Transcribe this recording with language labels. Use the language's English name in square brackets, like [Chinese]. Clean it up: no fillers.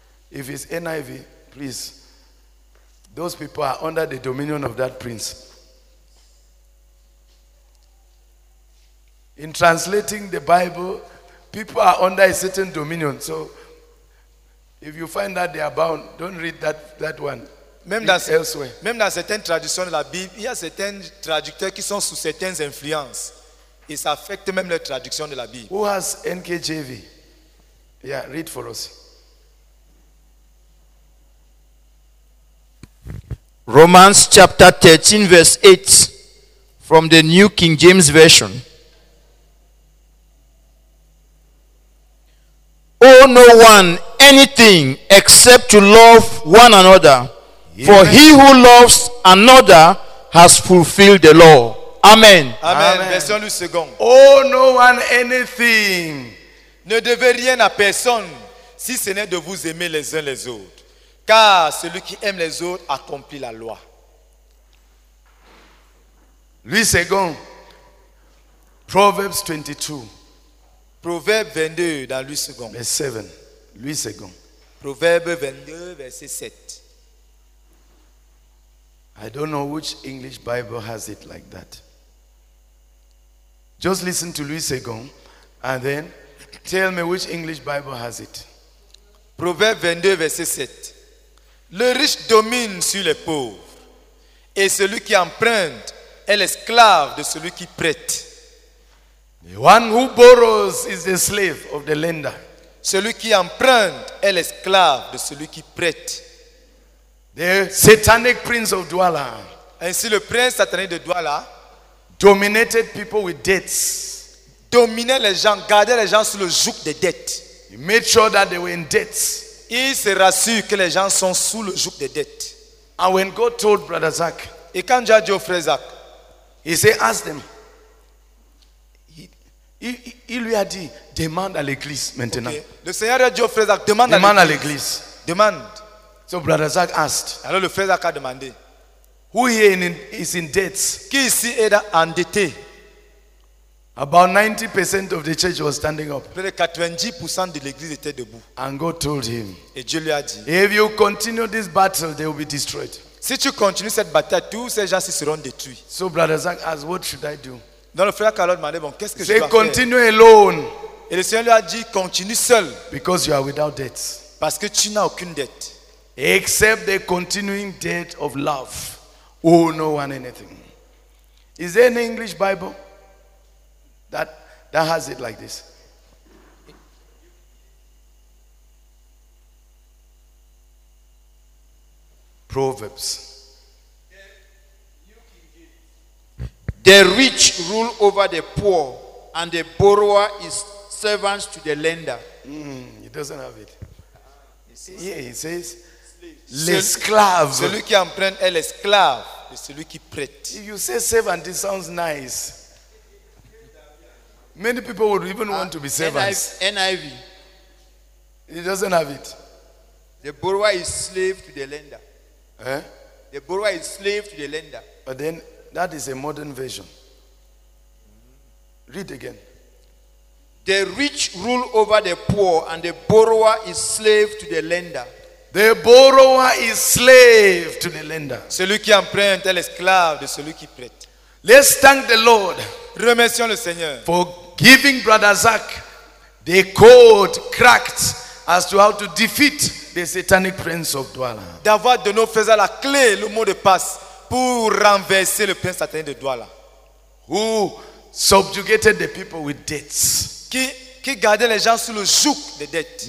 [English] If it's NIV, please, those people are under the dominion of that prince. In translating the Bible, people are under a certain dominion. So if you find that they are bound, don't read that one. [French] Même dans certaines traductions de la Bible, il y a certains traducteurs qui sont sous certaines influences. Et ça affecte même les traductions de la Bible. [English] Who has NKJV? Yeah, read for us. Romans chapter 13, verse 8, from the New King James Version. Owe no one anything except to love one another. Yes. For he who loves another has fulfilled the law. Amen. [French] Amen. Amen. Version du second. [English] Owe no one anything. [French] Ne devez rien à personne si ce n'est de vous aimer les uns les autres. Car celui qui aime les autres accomplit la loi. [English] Lui second. Proverbs 22. [French] Proverbe 22 dans lui second. [English] Verse 7. Lui second. [French] Proverbe 22, verset 7. [English] I don't know which English Bible has it like that. Just listen to Louis Segond and then tell me which English Bible has it. Proverbe 22, verset 7. [French] Le riche domine sur les pauvres, et celui qui emprunte est l'esclave de celui qui prête. [English] The one who borrows is the slave of the lender. [French] Celui qui emprunte est l'esclave de celui qui prête. [English] The satanic prince of Douala. [French] Ainsi, le prince satanique de Douala [English] dominated people with debts. [French] Dominait les gens, gardait les gens sous le joug des dettes. [English] He made sure that they were in debts. [French] Il se rassure que les gens sont sous le joug des dettes. [English] And when God told Brother Zach, [French] et quand Dieu a dit au frère Zach, [English] he said, ask them. [French] Il lui a dit, demande à l'église maintenant. [English] Okay. [French] Le Seigneur a dit au frère Zach, demande à l'église. Demande. [English] So Brother Zach asked. [French] Alors le frère Zach a demandé. [English] Who here is in debts? [French] Qui ici est endetté? [English] About 90% of the church was standing up. [French] Près de 90% de l'église était debout. [English] And God told him. [French] Et Dieu lui a dit. [English] If you continue this battle, they will be destroyed. [French] Si tu continues cette bataille, tous ces gens seront détruits. [English] So Brother Zach asked, what should I do? [French] Donc le frère Zach a demandé, bon, qu'est-ce que je dois faire? [English] Say, continue alone. [French] Et le Seigneur lui a dit, continue seul. [English] Because you are without debts. [French] Parce que tu n'as aucune dette. [English] Except the continuing debt of love, owe no one anything. Is there an English Bible that has it like this? Proverbs. The rich rule over the poor, and the borrower is servant to the lender. He doesn't have it. Yeah, it says. [French] L'esclave. Celui qui emprunte est l'esclave de celui qui prête. [English] If you say servant, it sounds nice. Many people would even want to be servants. NIV. He doesn't have it. The borrower is slave to the lender. Eh? The borrower is slave to the lender. But then, that is a modern version. Read again. The rich rule over the poor, and the borrower is slave to the lender. The borrower is slave to the lender. [French] Celui qui emprunte est l'esclave de celui qui prête. [English] Let's thank the Lord. [French] Remercions le Seigneur. [English] For giving Brother Zach the code cracked as to how to defeat the satanic prince of Douala. [French] D'avoir donné au frère la clé, le mot de passe pour renverser le prince satanique de Douala. [English] Who subjugated the people with debts. [French] Qui gardait les gens sous le joug des dettes.